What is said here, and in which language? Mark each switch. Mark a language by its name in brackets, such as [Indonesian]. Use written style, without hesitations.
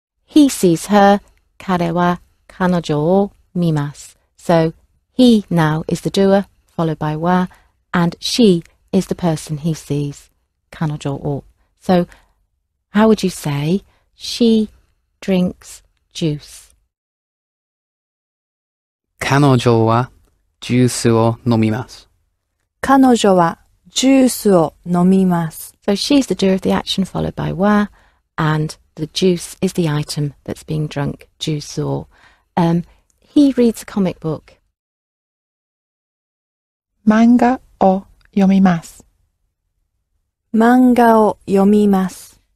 [English] He sees her. [Japanese] 彼は彼女を見ます. [English] So he now is the doer, followed by wa, and she is the person he sees. [Japanese] 彼女を. [English] So how would you say she drinks juice? [Japanese] 彼女はジュースを飲みます. 彼女はジュースを飲みます. [English] So she's the doer of the action followed by wa, and the juice is the item that's being drunk, juice or. He reads a comic book. [Japanese] Manga o yomimasu. Manga o yomimasu.